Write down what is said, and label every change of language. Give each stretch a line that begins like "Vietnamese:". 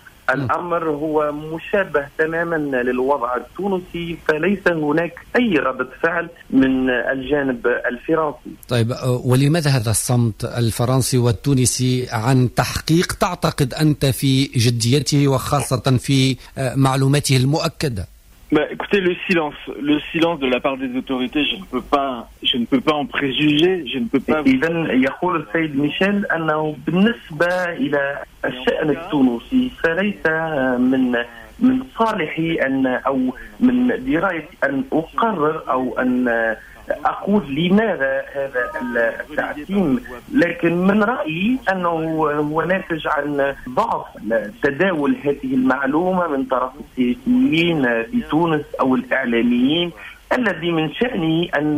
Arabic: الأمر هو مشابه تماما للوضع التونسي، فليس هناك أي رد فعل من الجانب الفرنسي. طيب ولماذا هذا الصمت الفرنسي والتونسي عن تحقيق تعتقد أنت في جديته وخاصة في معلوماته المؤكدة؟
French: Bah, écoutez, le silence de la part des autorités, je ne peux pas en préjuger, je ne peux pas.
Arabic: إذن يقول السيد ميشيل أنه بالنسبة إلى الشأن التونسي فليس من صالحي أن أو من دراية أن أقرر أو أن أقول لماذا هذا التعتيم، لكن من رأيي أنه هو ناتج عن ضعف تداول هذه المعلومة من طرف السياسيين في تونس أو الإعلاميين، الذي من شأنه